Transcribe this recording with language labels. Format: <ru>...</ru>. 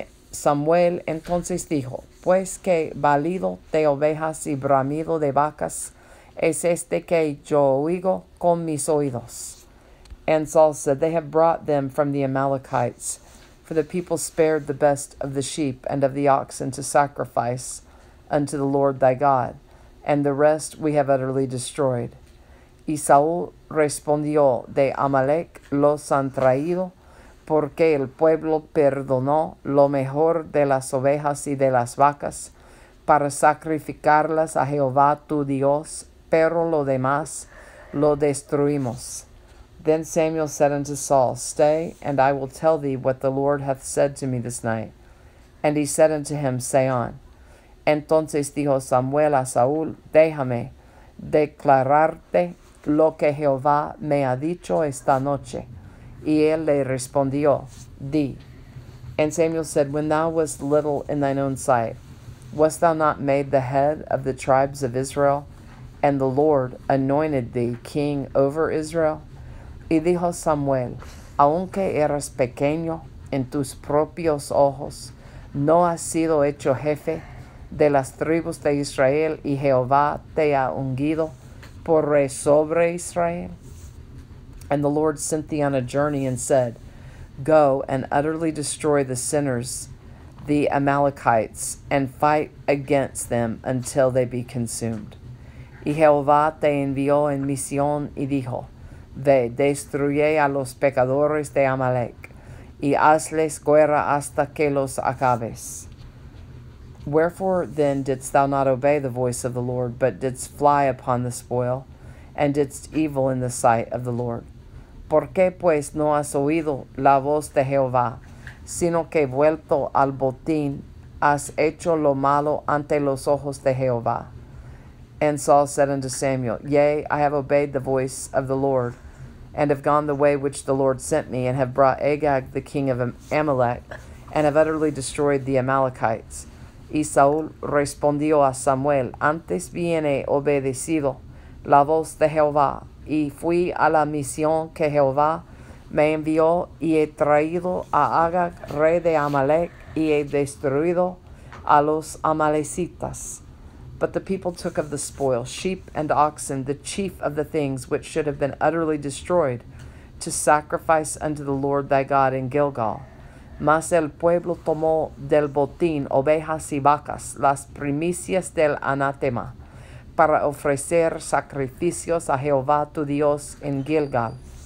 <es>Samuel entonces dijo, Pues que balido de ovejas y bramido de vacas es este que yo oigo con mis oídos.</es> <en>And Saul said, They have brought them from the Amalekites, for the people spared the best of the sheep and of the oxen to sacrifice unto the Lord thy God. And the rest we have utterly destroyed.</en> <es>Y Saúl respondió, De Amalek los han traído, porque el pueblo perdonó lo mejor de las ovejas y de las vacas para sacrificarlas a Jehová tu Dios, pero lo demás lo destruimos.</es> <en>Then Samuel said unto Saul, Stay, and I will tell thee what the Lord hath said to me this night. And he said unto him, Say on.</en> <es>Entonces dijo Samuel a Saúl, Déjame declararte lo que Jehová me ha dicho esta noche. Y él le respondió, Di.</es> <en>And Samuel said, When thou wast little in thine own sight, wast thou not made the head of the tribes of Israel? And the Lord anointed thee king over Israel?</en> <es>Y dijo Samuel, Aunque eras pequeño en tus propios ojos, no has sido hecho jefe de las tribus de Israel, y Jehová te ha ungido por rey sobre Israel.</es> <en>And the Lord sent thee on a journey and said, Go and utterly destroy the sinners, the Amalekites, and fight against them until they be consumed.</en> <es>Y Jehová te envió en misión y dijo, Ve, destruye a los pecadores de Amalek, y hazles guerra hasta que los acabes.</es> <en>Wherefore then didst thou not obey the voice of the Lord, but didst fly upon the spoil, and didst evil in the sight of the Lord?</en> <es>¿Por qué pues no has oído la voz de Jehová, sino que vuelto al botín has hecho lo malo ante los ojos de Jehová?</es> <en>And Saul said unto Samuel, Yea, I have obeyed the voice of the Lord, and have gone the way which the Lord sent me, and have brought Agag the king of Amalek, and have utterly destroyed the Amalekites.</en> <es>Y Saúl respondió a Samuel, Antes bien he obedecido la voz de Jehová, y fui a la misión que Jehová me envió, y he traído a Agag, rey de Amalek, y he destruido a los amalecitas.</es> <en>But the people took of the spoil, sheep and oxen, the chief of the things which should have been utterly destroyed, to sacrifice unto the Lord thy God in Gilgal.</en> <es>Mas el pueblo tomó del botín ovejas y vacas, las primicias del anatema, para ofrecer sacrificios a Jehová tu Dios en Gilgal.</es>